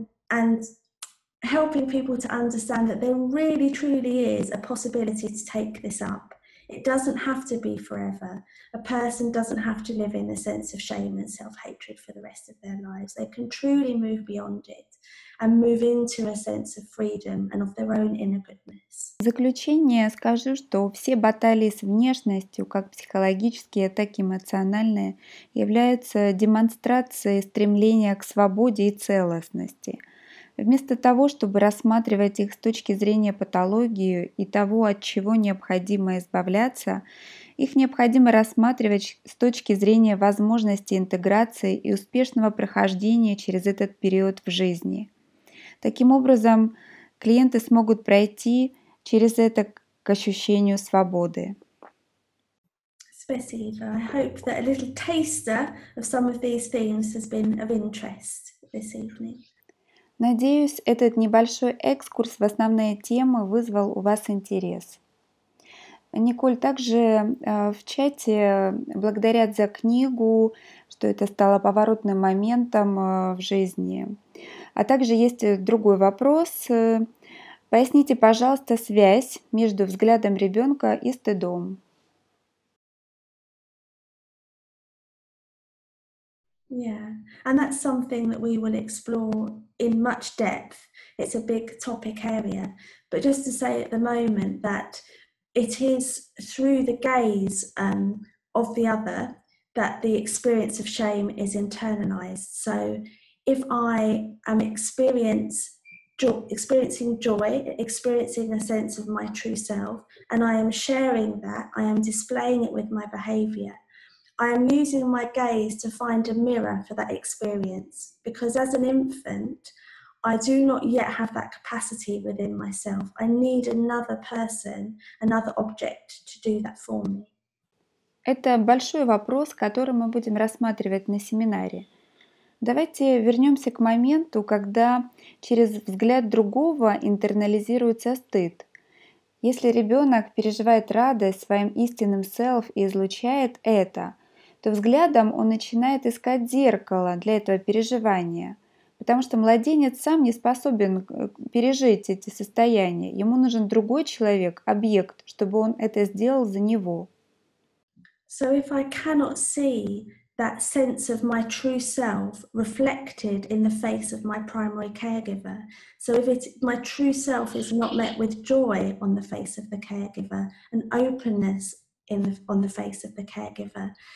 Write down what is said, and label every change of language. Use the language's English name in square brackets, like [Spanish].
[English] And helping people to understand that there really truly is a possibility to take this up. It doesn't have to be forever. A person doesn't have to live in a sense of shame and self-hatred for the rest of their lives. They can truly move beyond it and move into a sense of freedom and of their own inner goodness. [Russian] В заключение скажу, что все баталии с внешностью, как психологические, так и эмоциональные, являются демонстрацией стремления к свободе и целостности. Вместо того, чтобы рассматривать их с точки зрения патологии и того, от чего необходимо избавляться, их необходимо рассматривать с точки зрения возможности интеграции и успешного прохождения через этот период в жизни. Таким образом, клиенты смогут пройти через это к ощущению свободы. Спасибо. [English] I hope that a little taster of some of these themes has been of interest this evening. [Russian] Надеюсь, этот небольшой экскурс в основные темы вызвал у вас интерес. Николь, также в чате благодарят за книгу, что это стало поворотным моментом в жизни. А также есть другой вопрос. Поясните, пожалуйста, связь между взглядом ребенка и стыдом. [English] Yeah, and that's something that we will explore in much depth. It's a big topic area. But just to say at the moment that it is through the gaze of the other that the experience of shame is internalized. So if I am experiencing joy, experiencing a sense of my true self, and I am sharing that, I am displaying it with my behavior, I am using my gaze to find a mirror for that experience. Because as an infant, I do not yet have that capacity within myself. I need another person, another object to do that for me. [Russian] Это большой вопрос, который мы будем рассматривать на семинаре. Давайте вернемся к моменту, когда через взгляд другого интернализируется стыд. Если ребенок переживает радость своим истинным self и излучает это, то взглядом он начинает искать зеркало для этого переживания, потому что младенец сам не способен пережить эти состояния. Ему нужен другой человек, объект, чтобы он это сделал за него. [English] So if I cannot see that sense of my true self reflected in the face of my primary caregiver, so if my true self is not met with joy on the face of the caregiver, an openness on the face of the caregiver.